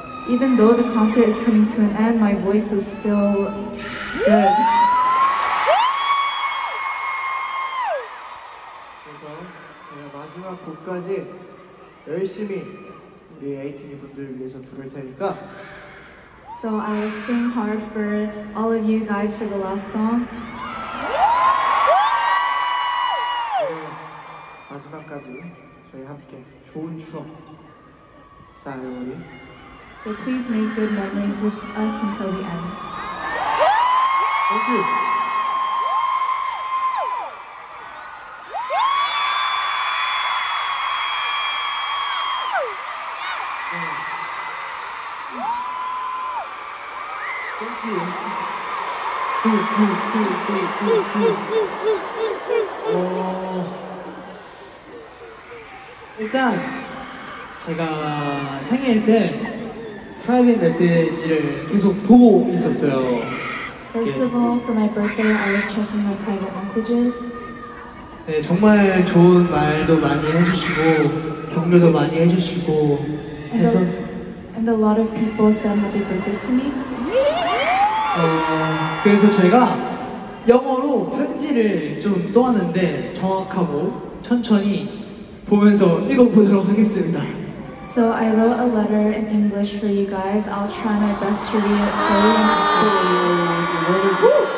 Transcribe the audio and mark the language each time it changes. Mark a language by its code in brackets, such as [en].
[en] Even though the concert is coming to an end, my voice is still good. [ko] 그래서 제가 마지막 곡까지 열심히 우리 에이티니 분들을 위해서 부를 테니까. [en] So I will sing hard for all of you guys for the last song. [ko] 마지막까지 저희 함께 좋은 추억 쌓아요 우리. [en] So please make good memories with us until the end. Thank you. Thank you. [ko] 일단 제가 생일 때 프라이빗 메시지를 계속 보고 있었어요. [en] First of all, for my birthday, I was checking my private messages. [ko] 네, 정말 좋은 말도 많이 해주시고 격려도 많이 해주시고 해서. [en] And a lot of people said happy birthday to me. [ko] 그래서 제가 영어로 편지를 좀 써왔는데 정확하고 천천히 보면서 읽어보도록 하겠습니다. [en] So I wrote a letter in English for you guys. I'll try my best to read it slowly and accurately.